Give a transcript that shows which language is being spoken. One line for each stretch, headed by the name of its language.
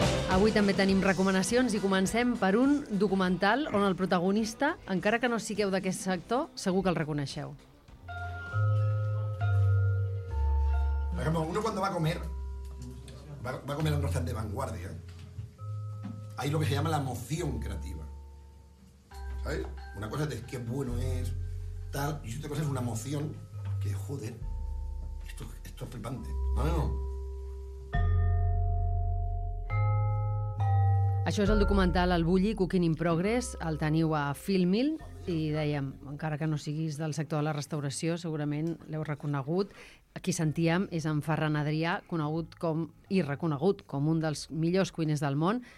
Catalan: Avui també tenim recomanacions i comencem per un documental on el protagonista, encara que no sigueu d'aquest sector, segur que el reconeixeu.
Spanish: Por ejemplo, uno cuando va a comer, va a comer a un restaurante de vanguardia, hay lo que se llama la emoción creativa. ¿Sabes? Una cosa es qué bueno es, tal, y otra cosa es una emoción que, joder, esto es flipante.
Catalan: No. Això és el documental El Bulli, Cooking in Progress, el teniu a Filmin, I dèiem, encara que no siguis del sector de la restauració, segurament l'heu reconegut, qui sentíem és en Ferran Adrià, conegut com, i reconegut com un dels millors cuiners del món.